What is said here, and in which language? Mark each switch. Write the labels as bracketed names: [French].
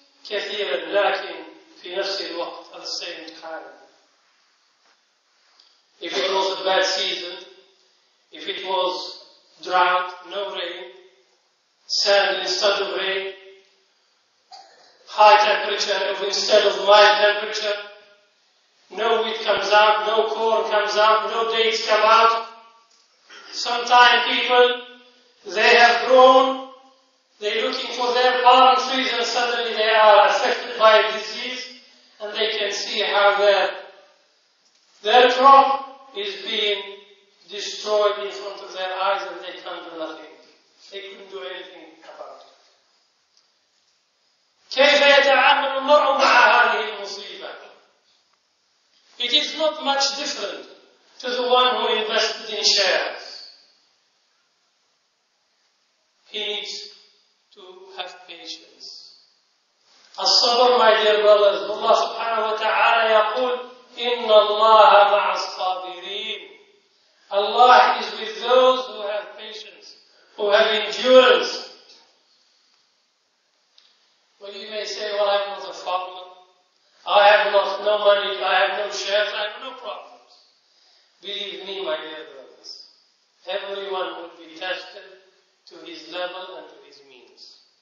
[Arabic] كثيراً لكن في نفس الوقت [English] at the same time. If it was a bad season, if it was drought, no rain, sand instead of rain, high temperature instead of mild temperature, no wheat comes out, no corn comes out, no dates come out. Sometimes people, they have grown, they're looking for their palm trees and suddenly they are affected by a disease and they can see how their crop is being destroyed in front of their eyes, and they can't do nothing. They couldn't do anything about it. [Arabic] كيف يتعامل المرء مع هذه المصيبة? [English] It is not much different to the one who invested in shares. He needs to have patience. [Arabic] الصبر, [English] my dear brothers, [Arabic] الله سبحانه وتعالى يقول إن الله مع الصابرين. [English] Allah is with those who have patience, who have endurance. Well, you may say, well, I'm not a farmer. I have no money, I have no shares, I have no problems. Believe me, my dear brothers, everyone will be tested to his level and to his means.